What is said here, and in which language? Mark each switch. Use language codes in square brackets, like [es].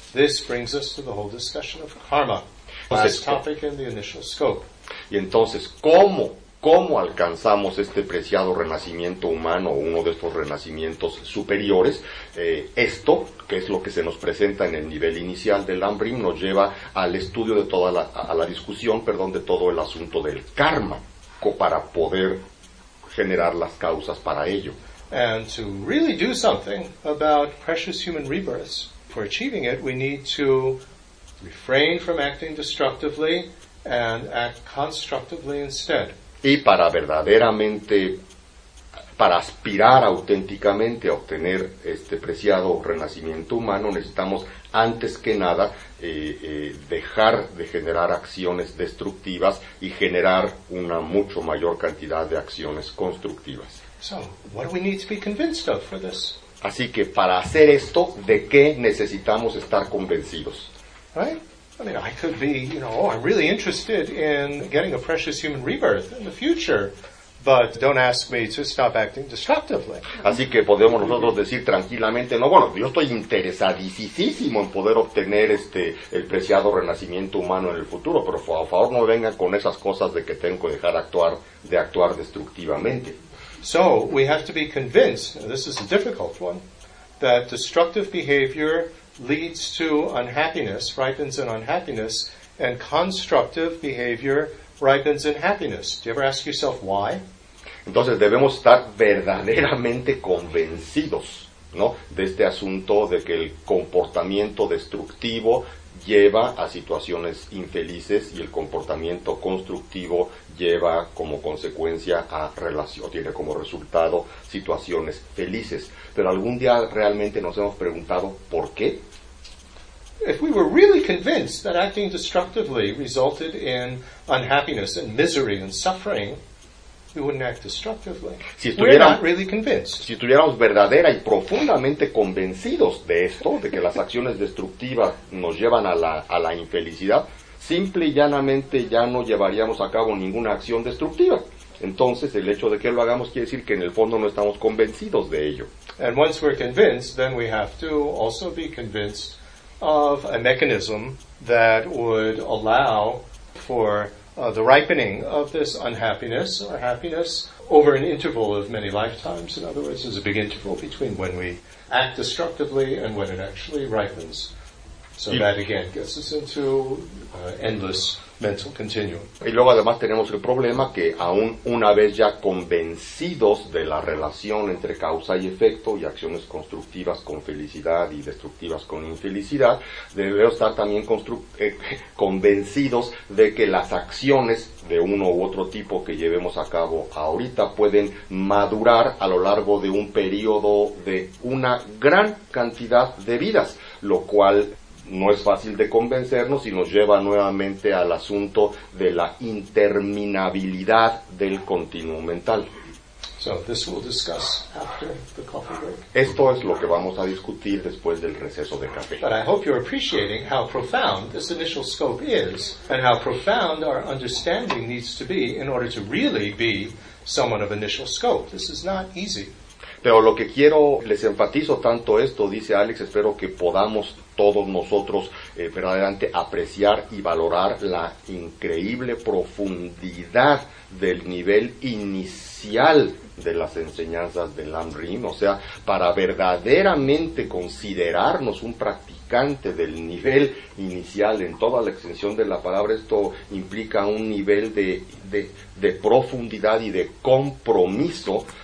[en] This brings us to the whole discussion of karma, last topic in the initial scope. [es] Y entonces, ¿cómo alcanzamos este preciado renacimiento humano o uno de estos renacimientos superiores? Esto, que es lo que se nos presenta en el nivel inicial del lam-rim, nos lleva al estudio de toda la discusión de todo el asunto del karma, para poder generar las causas para ello. [en] And to really do something about precious human rebirths, for achieving it, we need to refrain from acting destructively and act constructively instead. [es] Y para verdaderamente, para aspirar auténticamente a obtener este preciado renacimiento humano, necesitamos antes que nada dejar de generar acciones destructivas y generar una mucho mayor cantidad de acciones constructivas. [en] So, what do we need to be convinced of for this? [es] Así que para hacer esto, ¿de qué necesitamos estar convencidos? [en] Right? I mean, I could be, you know, I'm really interested in getting a precious human rebirth in the future, but don't ask me to stop acting destructively. [es] Así que podemos nosotros decir tranquilamente, no, bueno, yo estoy interesadísimo en poder obtener el preciado renacimiento humano en el futuro, pero por favor no venga con esas cosas de que tengo que dejar de actuar destructivamente. [en] So, we have to be convinced, and this is a difficult one, that destructive behavior leads to unhappiness, ripens in unhappiness, and constructive behavior ripens in happiness. Do you ever ask yourself why? [es] Entonces debemos estar verdaderamente convencidos, ¿no?, de este asunto de que el comportamiento destructivo lleva a situaciones infelices y el comportamiento constructivo lleva como consecuencia a relación, tiene como resultado situaciones felices. Pero algún día realmente nos hemos preguntado por qué. [en] if we were really convinced that acting destructively resulted in unhappiness and misery and suffering, we wouldn't act destructively. [es] Si estuviéramos, [en] we're not really convinced. [es] Si estuviéramos verdadera y profundamente convencidos de esto, de que las acciones destructivas nos llevan a la infelicidad, simple y llanamente ya no llevaríamos a cabo ninguna acción destructiva. Entonces, el hecho de que lo hagamos quiere decir que en el fondo no estamos convencidos de ello. [en] And once we're convinced, then we have to also be convinced of a mechanism that would allow for the ripening of this unhappiness or happiness over an interval of many lifetimes. In other words, there's a big interval between when we act destructively and when it actually ripens. So that again gets us into endless mental continuum. [es] Y luego además tenemos el problema que aún una vez ya convencidos de la relación entre causa y efecto y acciones constructivas con felicidad y destructivas con infelicidad, debemos estar también convencidos de que las acciones de uno u otro tipo que llevemos a cabo ahorita pueden madurar a lo largo de un periodo de una gran cantidad de vidas, lo cual no es fácil de convencernos y nos lleva nuevamente al asunto de la interminabilidad del continuo mental. [en] So this we'll discuss after the coffee break. [es] Esto es lo que vamos a discutir después del receso de café. [en] But I hope you're appreciating how profound this initial scope is and how profound our understanding needs to be in order to really be someone of initial scope. This is not easy. [es] Pero lo que quiero, les enfatizo tanto esto, dice Alex, espero que podamos todos nosotros verdaderamente apreciar y valorar la increíble profundidad del nivel inicial de las enseñanzas de lam-rim. O sea, para verdaderamente considerarnos un practicante del nivel inicial en toda la extensión de la palabra, esto implica un nivel de profundidad y de compromiso